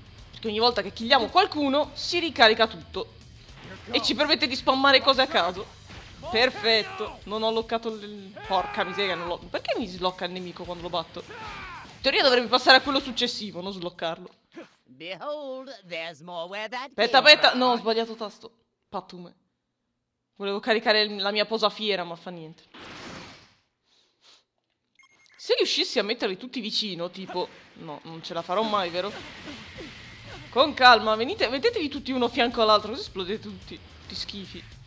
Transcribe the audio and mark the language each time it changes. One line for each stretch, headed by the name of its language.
Italian: Perché ogni volta che killiamo qualcuno si ricarica tutto e ci permette di spammare cose a caso. Perfetto. Non ho sbloccato il... Porca miseria, non l'ho... Perché mi sblocca il nemico quando lo batto? In teoria dovrebbe passare a quello successivo, non sbloccarlo.
English: Behold, there's more where that came from.
Italian: Aspetta, no, ho sbagliato tasto. Patume. Volevo caricare la mia posa fiera, ma fa niente. Se riuscissi a metterli tutti vicino, tipo... No, non ce la farò mai, vero? Con calma, venite, mettetevi tutti uno fianco all'altro, così esplodete tutti. Tutti schifi.